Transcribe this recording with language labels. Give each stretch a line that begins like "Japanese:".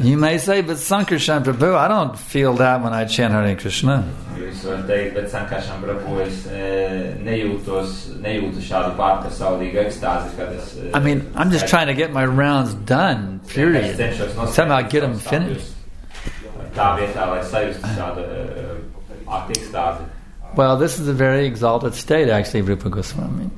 English: You may say, but Sankarshan Prabhu, I don't feel that when I chant Hare Krishna.
Latvian: Jūs varat teikt, bet Sankarshan Prabhu, es nejūtu šādu pārpasaulīgu ekstāzi, kad es...
English: I mean, I'm just trying to get my rounds done, period. Somehow get them finished.
Latvian: Tā vietā, lai sajust šādu ekstāzi.
English: Well, this is a very exalted state, actually, Rupa Goswami.